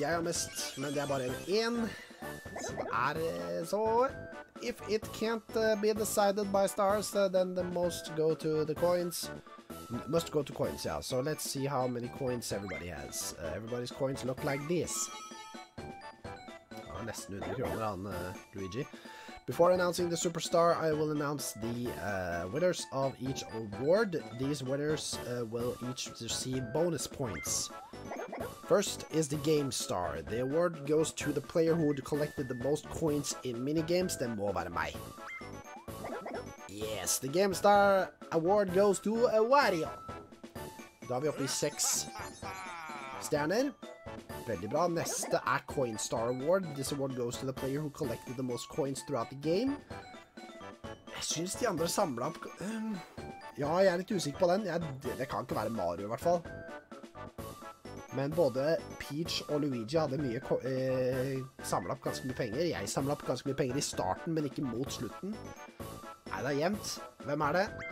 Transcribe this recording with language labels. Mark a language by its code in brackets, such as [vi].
[no] Jeg har mest, men det er bare en. Så det er så... [en] If it can't be decided by stars, then the most go to the coins. must go to coins, yeah. So let's see how many coins everybody has. Everybody's coins look like this. [no] Ah, nesten 100 kroner han, Luigi. [en] Before announcing the superstar, I will announce the winners of each award. These winners will each receive bonus points. First is the Game Star. The award goes to the player who collected the most coins in minigames, then [no] må være meg. [en] Yes, the Game Star award goes to Wario. [no] Da vi oppe i 6 stjerner. Veldig bra. Neste Coin Star Award. [en] This award goes to the player who collected the most coins throughout the game. [no] Jeg synes de andre samlet opp... Ja, jeg litt usikker på den. Det kan ikke være Mario i hvert fall. Men både Peach og Luigi hadde mye samlet opp ganske mye penger. Jeg samlet opp ganske mye penger i starten, men ikke mot slutten. Nei, det er jevnt. Hvem er det?